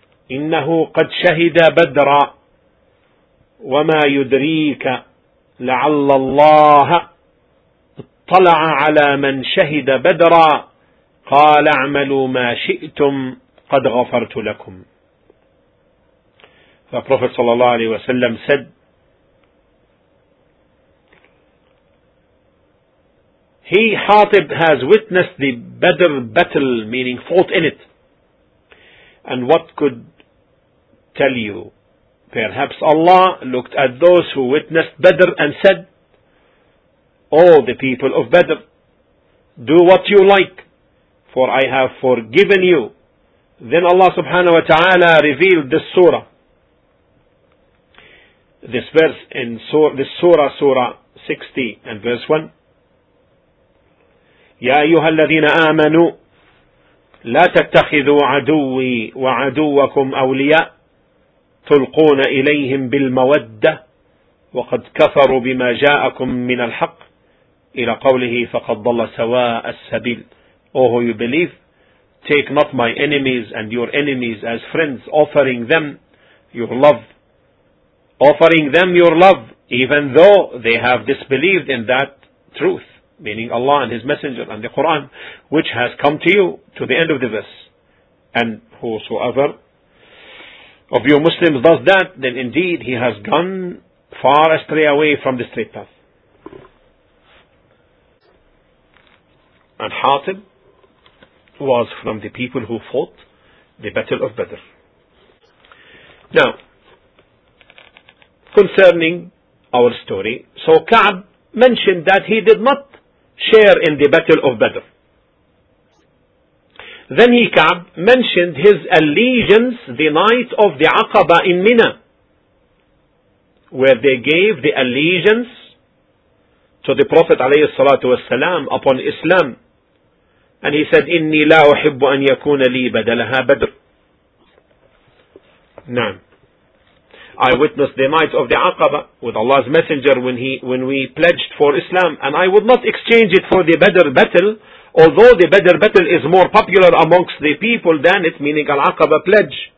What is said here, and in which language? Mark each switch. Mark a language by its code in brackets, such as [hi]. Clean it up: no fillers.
[ar] إنه قد شهد بدرا وما يدريك لعل الله اطلع على من شهد بدرا قال اعملوا ما شئتم قد غفرت لكم. [en] The Prophet [ar] صلى الله عليه وسلم [en] said, He, Hatib, has witnessed the Badr battle, meaning fought in it. And what could tell you, perhaps Allah looked at those who witnessed Badr and said, all the people of Badr, do what you like, for I have forgiven you. Then Allah subhanahu wa ta'ala revealed this surah, this verse in this surah, surah 60 and verse 1. [ar] يَا أَيُّهَا الَّذِينَ آمَنُوا لَا تَتَّخِذُوا عَدُوِّي وَعَدُوَّكُمْ أَوْلِيَاءَ تلقون إليهم بالمودة وقد كفروا بما جاءكم من الحق إلى قوله فقد ضل سواء السبيل. [en] Oh, who you believe, take not my enemies and your enemies as friends, offering them your love, offering them your love, even though they have disbelieved in that truth, meaning Allah and His Messenger and the Quran, which has come to you, to the end of the verse. And whosoever of you Muslims does that, then indeed he has gone far astray away from the straight path. And Hatib was from the people who fought the Battle of Badr. Now, concerning our story, so Ka'b mentioned that he did not share in the Battle of Badr. Then he, Ka'b, mentioned his allegiance the night of the Aqaba in Mina, where they gave the allegiance to the Prophet alayhi salatu wasalam upon Islam. And he said, [ar] إِنِّي لَا أُحِبُّ أَنْ يَكُونَ لِي بَدَلَهَا بَدْرٌ. [en] I witnessed the night of the Aqaba with Allah's Messenger when we pledged for Islam, and I would not exchange it for the Badr battle, although the Badr battle is more popular amongst the people than it, meaning Al-Aqaba pledge.